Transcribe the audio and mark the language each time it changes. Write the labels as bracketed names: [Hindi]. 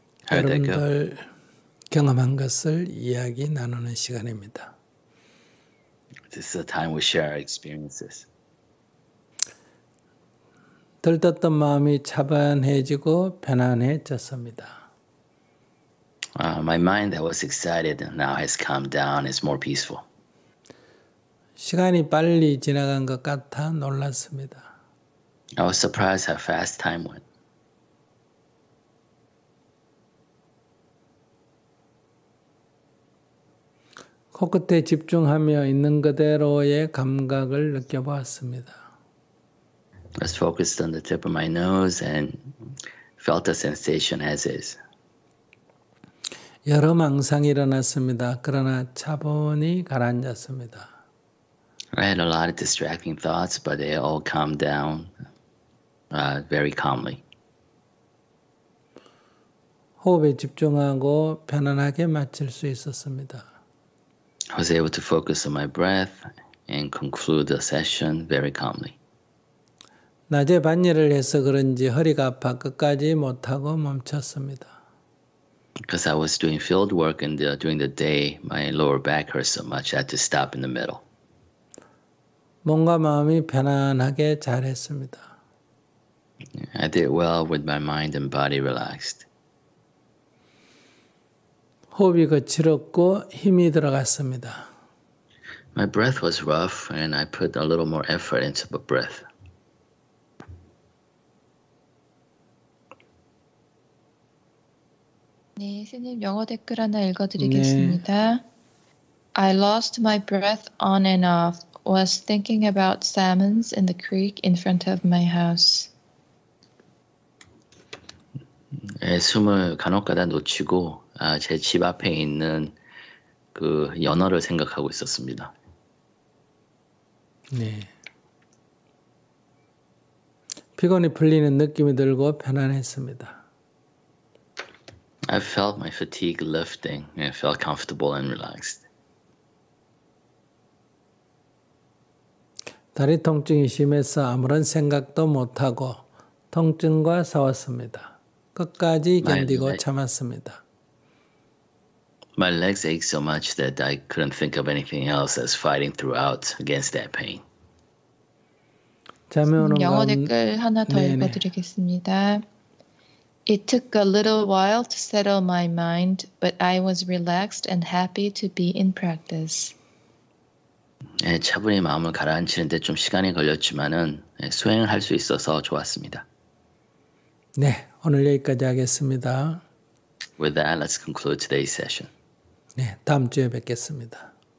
[Korean] 여러분들 경험한 것을 이야기 나누는 시간입니다. [English] This is the time we share our experiences. [Korean] 들떴던 마음이 차분해지고 편안해졌습니다. [English] My mind that was excited now has calmed down. It's more peaceful. [Korean] 시간이 빨리 지나간 것 같아 놀랐습니다. [English] I was surprised how fast time went. [Korean] 코끝에 집중하며 있는 그대로의 감각을 느껴보았습니다. [English] I was focused on the tip of my nose and felt the sensation as is. [Korean] 여러 망상이 일어났습니다. 그러나 차분히 가라앉았습니다. [English] I had a lot of distracting thoughts, but they all calmed down very calmly. [Korean] 호흡에 집중하고 편안하게 마칠 수 있었습니다. [English] I was able to focus on my breath and conclude the session very calmly. [Korean] 낮에 반일을 해서 그런지 허리가 아파 끝까지 못하고 멈췄습니다. [English] Because I was doing field work and during the day, my lower back hurt so much I had to stop in the middle. [Korean] 몸과 마음이 편안하게 잘했습니다. [English] I did well with my mind and body relaxed. [Korean] 호흡이 거칠었고 힘이 들어갔습니다. [English] My breath was rough and I put a little more effort into the breath. [Korean] 네, 스님 영어 댓글 하나 읽어드리겠습니다. [English] 네. I lost my breath on and off. Was thinking about salmons in the creek in front of my house. [Korean] 네, 숨을 간혹가다 놓치고 제 집 앞에 있는 그 연어를 생각하고 있었습니다. 네. 피곤이 풀리는 느낌이 들고 편안했습니다. [English] I felt my fatigue lifting and felt comfortable and relaxed. [Korean] 다리 통증이 심해서 아무런 생각도 못하고 통증과 싸웠습니다. 끝까지 견디고 참았습니다. [English] My legs ached so much that I couldn't think of anything else as fighting throughout against that pain. [Korean] 영어 댓글 하나 더 읽어드리겠습니다. [English] It took a little while to settle my mind, but I was relaxed and happy to be in practice. [Korean] 네, 차분히 마음을 가라앉히는데 좀 시간이 걸렸지만은 수행을 할 수 있어서 좋았습니다. 네, 오늘 여기까지 하겠습니다. [English] With that, let's conclude today's session. [Korean] 네, 다음 주에 뵙겠습니다.